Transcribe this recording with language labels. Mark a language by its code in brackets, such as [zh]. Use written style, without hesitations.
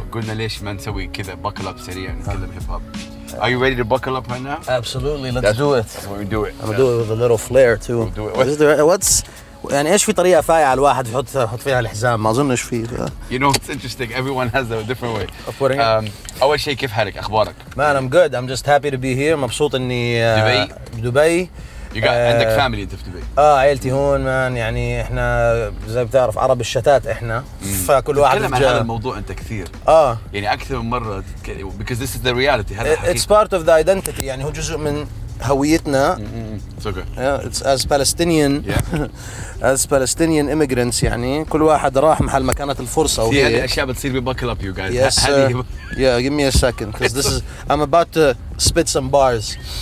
[ar] So, قلنا ليش ما نسوي كذا [en] buckle up [ar] سريع نتكلم hip hop. [en] Are you ready to buckle up right now? Absolutely. Let's do it. That's what we do it. I'm gonna do it with a little flair too. We'll do it. What's [ar] يعني إيش في طريقة فايعة الواحد يحط فيها الحزام؟ ما أظنش في. [en] You know it's interesting. Everyone has a different way. Of putting it. [ar] أول شيء كيف حالك؟ أخبارك؟ [en] Man, I'm good. I'm just happy to be here. [ar] مبسوط إني. [en] Dubai. You got [ar] عندك [en] family [ar] انت في دبي. عائلتي هون مان, يعني احنا زي بتعرف عرب الشتات احنا. فكل واحد تكلم عن هذا الموضوع انت كثير. يعني اكثر من مره [en] because this is the reality. It's part of the identity, [ar] يعني هو جزء من هويتنا. [en] It's okay. Yeah, it's as Palestinian. Yeah. As Palestinian immigrants, [ar] يعني كل واحد راح محل ما كانت الفرصة. [en] See, [ar] هذه أشياء بتصير ببكلاب, [en] you guys. Yes. yeah, give me a second, because this is I'm about to spit some bars.